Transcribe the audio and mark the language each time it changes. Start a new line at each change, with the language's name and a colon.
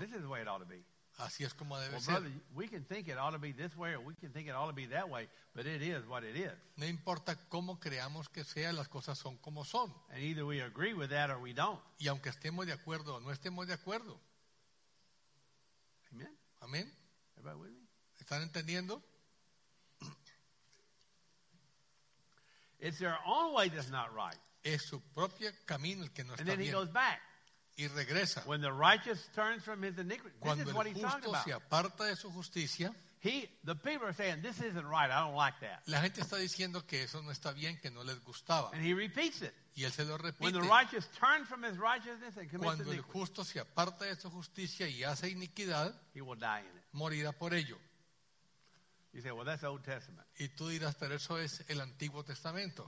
English: This is the way it ought to be.
Spanish: Así es como debe
English: well, brother,
Spanish: ser.
English: We can think it ought to be this way or we can think it ought to be that way, but it is what it is.
Spanish: No importa cómo creamos que sea, las cosas son como son.
English: And either we agree with that or we don't.
Spanish: Y aunque estemos de acuerdo o no estemos de acuerdo.
English: Amen.
Spanish: Amen.
English: Everybody with me?
Spanish: ¿Están entendiendo?
English: It's their own way that's not right.
Spanish: Es su propio camino el que no
English: and
Spanish: está
English: then
Spanish: bien.
English: He goes back.
Spanish: Y regresa.
English: When the righteous turns from his iniquity, this
Spanish: cuando
English: is what he's talking about.
Spanish: Se aparta de su justicia,
English: he, the people are saying, this isn't right, I don't like that.
Spanish: La gente está diciendo que eso no está bien, que no les gustaba.
English: And he repeats it.
Spanish: Y él se lo repite.
English: When the righteous turns from his righteousness and commits
Spanish: cuando
English: iniquity,
Spanish: el justo se aparta de su justicia y hace iniquidad,
English: he will die in it.
Spanish: Morirá por ello.
English: You say, well, that's Old Testament.
Spanish: Y tú dirás, pero eso es el Antiguo Testamento.